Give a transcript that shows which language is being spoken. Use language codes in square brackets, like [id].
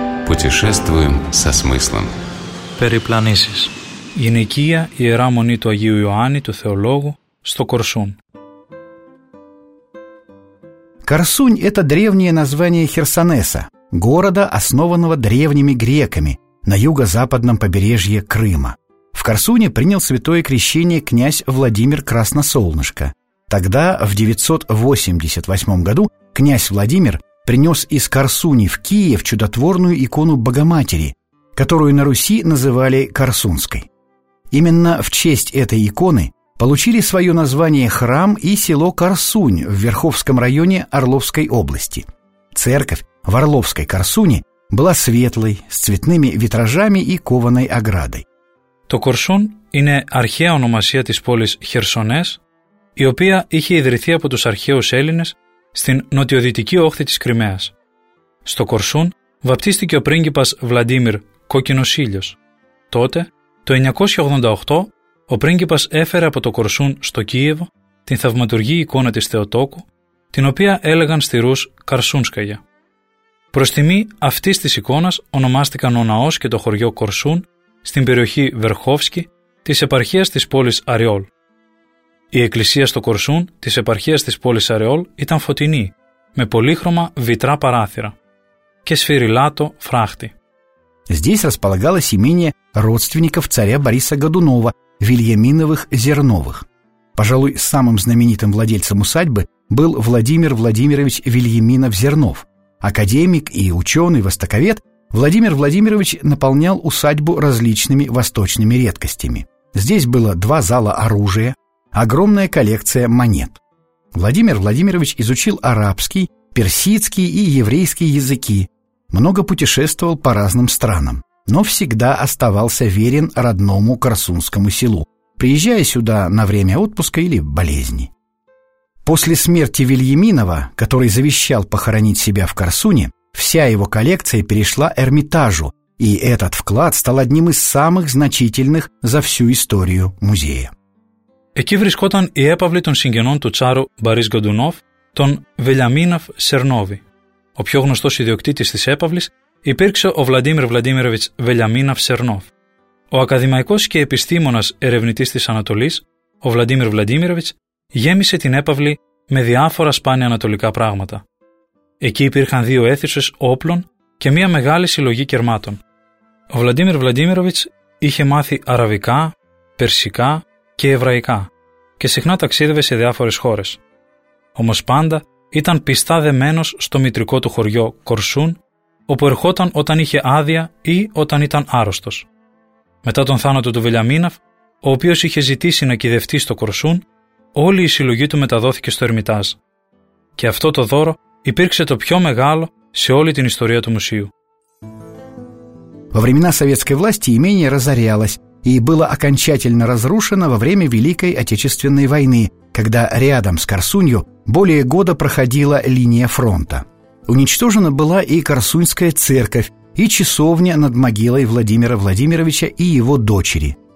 [ru] Путешествуем со смыслом. [el] Περιπλανήσεις. Γυναικεία, Ιερά Μονή του Αγίου Ιωάννη, του Θεολόγου, στο Κορσούν. [ru] Корсунь – это древнее название Херсонеса, города, основанного древними греками на юго-западном побережье Крыма. В Корсуне принял святое крещение князь Владимир Красносолнышко. Тогда, в 988 году, князь Владимир принес из Корсуни в Киев чудотворную икону Богоматери, которую на Руси называли Корсунской. Именно в честь этой иконы получили свое название храм и село Корсунь в Верховском районе Орловской области. Церковь в Орловской Корсуне была светлой, с цветными витражами и кованой оградой. [el] Το Κορσούν είναι αρχαία ονομασία της πόλης Χερσονές, η οποία είχε ιδρυθεί από τους αρχαίους Έλληνες στην νοτιοδυτική όχθη της Κρυμαίας. Στο Κορσούν βαπτίστηκε ο πρίγκιπας Βλαντίμιρ Κόκκινος Ήλιος. Τότε Το 988 ο πρίγκιπας έφερε από το Κορσούν στο Κίεβο την θαυματουργή εικόνα της Θεοτόκου, την οποία έλεγαν στη Ρούς Καρσούνσκαγια. Προς τιμή αυτής της εικόνας ονομάστηκαν ο ναός και το χωριό Κορσούν στην περιοχή Βερχόφσκι της επαρχίας της πόλης Αριόλ. Η εκκλησία στο Κορσούν της επαρχίας της πόλης Αριόλ ήταν φωτεινή, με πολύχρωμα βιτρά παράθυρα και σφυριλάτο φράχτη. [ru] Здесь располагалось имение родственников царя Бориса Годунова, Вильяминовых Зерновых. Пожалуй, самым знаменитым владельцем усадьбы был Владимир Владимирович Вильяминов-Зернов. Академик и ученый-востоковед, Владимир Владимирович наполнял усадьбу различными восточными редкостями. Здесь было два зала оружия, огромная коллекция монет. Владимир Владимирович изучил арабский, персидский и еврейский языки, много путешествовал по разным странам, но всегда оставался верен родному Корсунскому селу, приезжая сюда на время отпуска или болезни. После смерти Вильяминова, который завещал похоронить себя в Корсуне, вся его коллекция перешла Эрмитажу, и этот вклад стал одним из самых значительных за всю историю музея. [el] Εκεί βρισκόταν οι έπαυλοι των συγγενών του τσάρου Μπορίς Γκοντουνόφ, τον Βελιαμίνοφ Σερνόβι. Ο πιο γνωστός ιδιοκτήτης της έπαυλης υπήρξε ο Βλαντίμιρ Βλαντίμιροβιτς Βελιαμίνοφ Σερνόφ. Ο ακαδημαϊκός και επιστήμονας ερευνητής της Ανατολής, ο Βλαντίμιρ Βλαντίμιροβιτς, γέμισε την έπαυλη με διάφορα σπάνια ανατολικά πράγματα. Εκεί υπήρχαν δύο αίθουσες όπλων και μία μεγάλη συλλογή κερμάτων. Ο Βλαντίμιρ Βλαντίμιροβιτς είχε μάθει αραβικά, περσικά και εβραϊκά και συχνά ταξίδευε σε διάφορες χώρες. Όμως πάντα ήταν πιστά δεμένος στο μητρικό του χωριό Κορσούν, όπου ερχόταν όταν είχε άδεια ή όταν ήταν άρρωστος. Μετά τον θάνατο του Βελιαμίναφ, ο οποίος είχε ζητήσει να κηδευτεί στο Κορσούν, όλη η συλλογή του μεταδόθηκε στο Ερμιτάζ. Και αυτό το δώρο υπήρξε το πιο μεγάλο σε όλη την ιστορία του μουσείου. [ru] Во времена советской власти имение разорялось и было окончательно разрушено во время Великой Отечественной войны, когда рядом с Корсунью более года проходила линия фронта. Уничтожена была и Корсуньская церковь, и часовня над могилой Владимира Владимировича и его дочери.